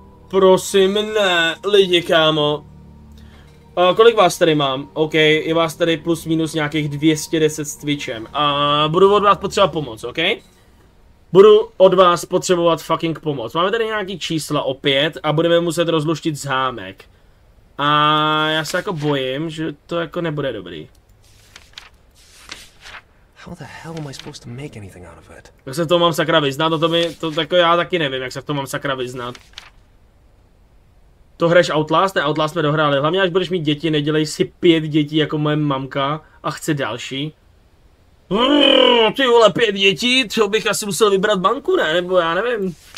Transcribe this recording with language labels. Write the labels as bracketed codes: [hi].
[cs] Prosím, ne, lidi, kámo. Kolik vás tady mám? OK, je vás tady plus minus nějakých 210 s Twitchem. Budu od vás potřebovat pomoc, OK? Budu od vás potřebovat fucking pomoc. Máme tady nějaký čísla opět a budeme muset rozluštit zámek. A já se jako bojím, že to jako nebude dobrý. [en] How the hell am I supposed to make anything out of it? [cs] Jak se v tom mám sakra vyznat? To jako já taky nevím, jak se v tom mám sakra vyznat. To hraješ Outlast? Ne, Outlast jsme dohráli. Hlavně až budeš mít děti, nedělej si pět dětí jako moje mamka a chce další. Ty vole, pět dětí, to bych asi musel vybrat banku, ne? Nebo já nevím.